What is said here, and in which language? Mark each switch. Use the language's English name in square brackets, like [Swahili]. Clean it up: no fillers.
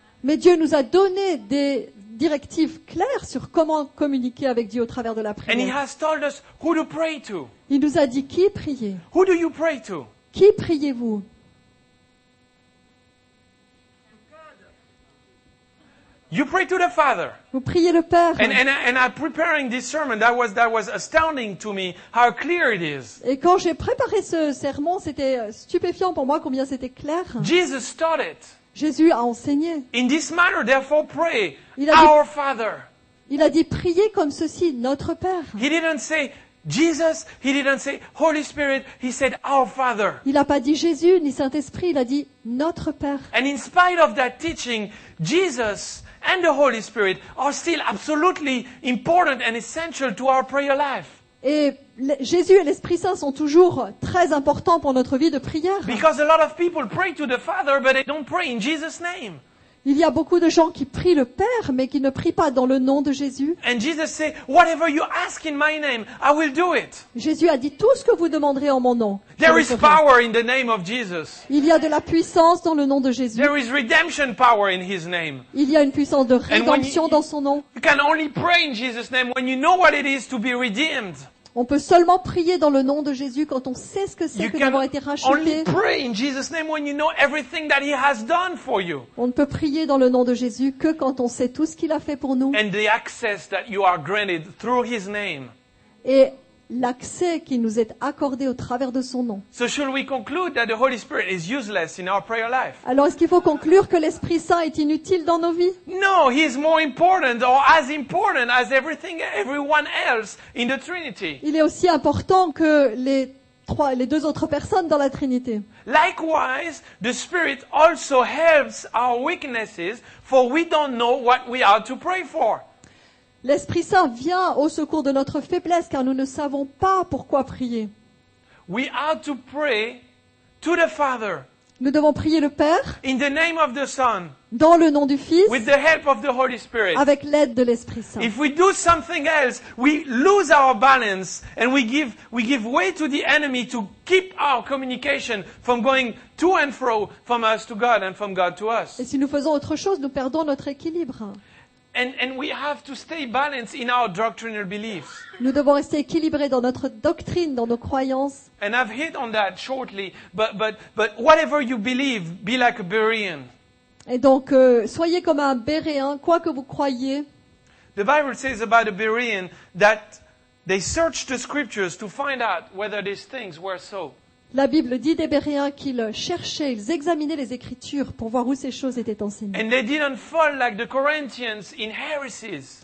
[French] Mais Dieu nous a donné des directives claires sur comment communiquer avec Dieu au travers de la prière. [English] And he has told us who to pray to. [French] Il nous a dit qui prier. [English] Who do you pray to? [French] Qui priez-vous? [English] You pray to the Father. [French] Vous priez le Père. [English] And I'm preparing this sermon. That was astounding to me how clear it is. [French] Et quand j'ai préparé ce sermon, c'était stupéfiant pour moi combien c'était clair. [English] Jesus taught it. [French] Jésus a enseigné. [English] In this manner, therefore, pray. Our Father. [French] Il a dit priez comme ceci, notre Père. [English] He didn't say Jesus. He didn't say Holy Spirit. He said Our Father. [French] Il n'a pas dit Jésus ni Saint-Esprit. Il a dit notre Père. [English] And in spite of that teaching, Jesus and the Holy Spirit are still absolutely important and essential to our prayer life. [French] Et Jésus et l'Esprit Saint sont toujours très importants pour notre vie de prière. [English] Because a lot of people pray to the Father, but they don't pray in Jesus' name. [French] Il y a beaucoup de gens qui prient le Père, mais qui ne prient pas dans le nom de Jésus. [English] And Jesus said, "Whatever you ask in my name, I will do it." [French] Jésus a dit tout ce que vous demanderez en mon nom. [English] There is power in the name of Jesus. [French] Il y a de la puissance dans le nom de Jésus. [English] There is redemption power in His name. [French] Il y a une puissance de rédemption dans son nom. [English] You can only pray in Jesus' name when you know what it is to be redeemed. [French] On peut seulement prier dans le nom de Jésus quand on sait ce que c'est que d'avoir été racheté. [English] Only pray in Jesus' name when you know everything that he has done for you. [French] On ne peut prier dans le nom de Jésus que quand on sait tout ce qu'il a fait pour nous. [English] And the access that you are granted through his name. [French] Et l'accès qui nous est accordé au travers de son nom. [English] So should we conclude that the Holy Spirit is useless in our prayer life? [French] Alors est-ce qu'il faut conclure que l'Esprit Saint est inutile dans nos vies? [English] No, he is more important or as important as everyone else in the Trinity. [French] Il est aussi important que les deux autres personnes dans la Trinité. [English] Likewise, the Spirit also helps our weaknesses, for we don't know what we are to pray for. [French] L'Esprit Saint vient au secours de notre faiblesse car nous ne savons pas pourquoi prier. [English] We are to pray to the Father. [French] Nous devons prier le Père. [English] In the name of the Son. [French] Dans le nom du Fils. [English] With the help of the Holy Spirit. [French] Avec l'aide de l'Esprit Saint. [English] If we do something else, we lose our balance and we give way to the enemy to keep our communication from going to and fro from us to God and from God to us. [French] Et si nous faisons autre chose, nous perdons notre équilibre. [English] And we have to stay balanced in our doctrinal beliefs. [French] Nous devons rester équilibrés dans notre doctrine, dans nos croyances. [English] And I've hit on that shortly, but whatever you believe, be like a Berean. [French] Et donc soyez comme un Béréen, quoi que vous croyiez. [English] The Bible says about a Berean that they searched the scriptures to find out whether these things were so. [French] La Bible dit des Bériens qu'ils cherchaient, ils examinaient les Écritures pour voir où ces choses étaient enseignées. [English] And they didn't fall like the Corinthians in heresies.